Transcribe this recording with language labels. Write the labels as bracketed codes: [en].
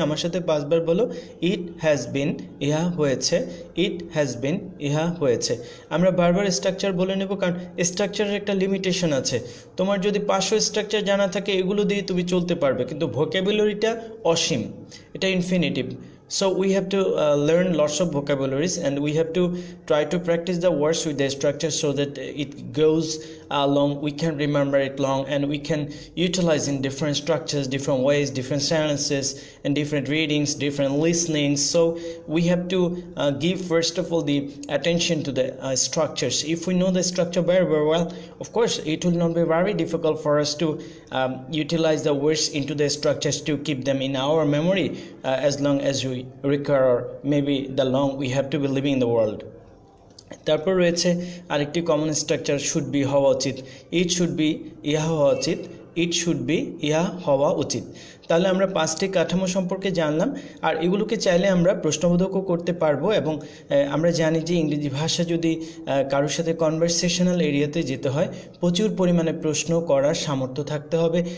[bn] আমার সাথে পাঁচবার বলো, [en] it has been, [bn] ইহা হয়েছে, ইট হ্যাজ বিন, ইহা হয়েছে। আমরা বারবার স্ট্রাকচার বলে নেব, কারণ স্ট্রাকচারের একটা লিমিটেশন আছে। তোমার যদি 500 স্ট্রাকচার জানা থাকে, এগুলো দিয়ে তুমি চলতে পারবে, কিন্তু ভোকাবুলারিটা অসীম, এটা infinitive. [en] So we have to learn lots of vocabularies and we have to try to practice the words with the structure so that it goes along, we can remember it long and we can utilize in different structures, different ways, different sentences and different readings, different listenings. So we have to give first of all the attention to the structures. If we know the structure very, very well, of course it will not be very difficult for us to utilize the words into the structures to keep them in our memory as long as we recur, or maybe the long we have to be living in the world. [bn] তারপর রয়েছে আরেকটি common structure, should be, হওয়া উচিত, [en] it should be, [bn] ইহা হওয়া উচিত, it should be, ইহা হওয়া উচিত। তাহলে আমরা পাঁচটি কাঠামো সম্পর্কে জানলাম, আর এগুলোকে চাইলে আমরা প্রশ্নবোধকও করতে পারবো। এবং আমরা জানি যে ইংরেজি ভাষা যদি কারোর সাথে কনভারসেশনাল এরিয়াতে যেতে হয়, প্রচুর পরিমাণে প্রশ্ন করার সামর্থ্য থাকতে হবে।